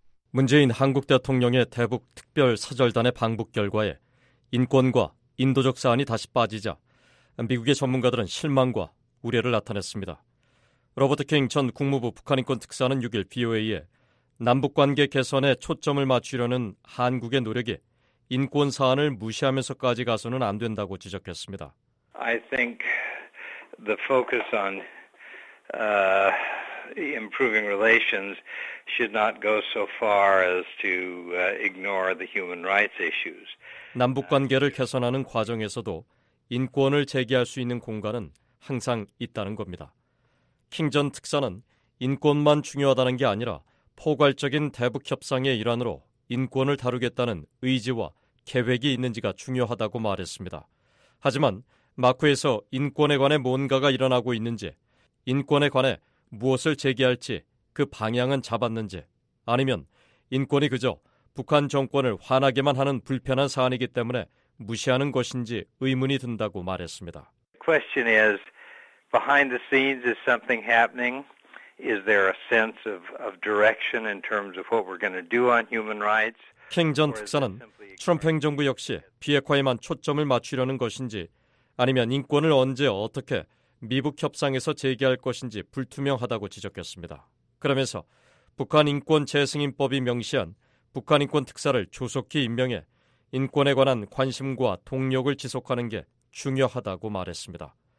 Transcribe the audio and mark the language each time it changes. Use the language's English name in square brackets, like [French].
[Korean] 문재인 한국 대통령의 대북 특별 사절단의 방북 결과에 인권과 인도적 사안이 다시 빠지자 미국의 전문가들은 실망과 우려를 나타냈습니다. 로버트 킹 전 국무부 북한인권특사는 6일 BOA에 남북관계 개선에 초점을 맞추려는 한국의 노력이 인권 사안을 무시하면서까지 가서는 안 된다고 지적했습니다. [English] I think the focus on improving relations should not go so far as to ignore the human rights issues. [Korean] 남북 관계를 개선하는 과정에서도 인권을 제기할 수 있는 공간은 항상 있다는 겁니다. 킹 전 특사는 인권만 중요하다는 게 아니라 포괄적인 대북 협상의 일환으로 인권을 다루겠다는 의지와 계획이 있는지가 중요하다고 말했습니다. 하지만 마크에서 인권에 관해 뭔가가 일어나고 있는지, 인권에 관해 무엇을 제기할지 그 방향은 잡았는지, 아니면 인권이 그저 북한 정권을 화나게만 하는 불편한 사안이기 때문에 무시하는 것인지 의문이 든다고 말했습니다. [English] The question is, behind the scenes is something happening? Is there a sense of direction in terms of what we're going to do on human rights? [Korean] 킹 전 특사는 트럼프 행정부 역시 비핵화에만 초점을 맞추려는 것인지 아니면 인권을 언제 어떻게 미북 협상에서 제기할 것인지 불투명하다고 지적했습니다. 그러면서 북한 인권재승인법이 명시한 북한 인권 특사를 조속히 임명해 인권에 관한 관심과 동력을 지속하는 게 중요하다고 말했습니다.